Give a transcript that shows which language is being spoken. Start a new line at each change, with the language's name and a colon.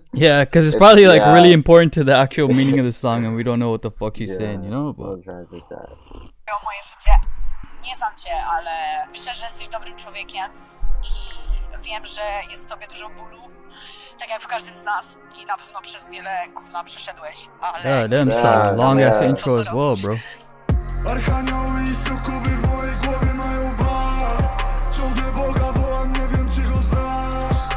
English: Yeah, because it's probably like really important to the actual meaning of the song and we don't know what the fuck he's saying, you know? Someone translate that.
Polish: Moje życie. Nie znam cię, ale myślę, że jesteś dobrym człowiekiem i wiem, że jest w tobie dużo bólu, tak jak w każdym z nas i na pewno przez wiele gówna przeszedłeś, ale...
English: Yeah, damn, it's like a long ass intro as well, bro.
Polish: Archanioły i sukuby w mojej głowie mają bar. Ciągle Boga wołam, nie wiem czy go znam.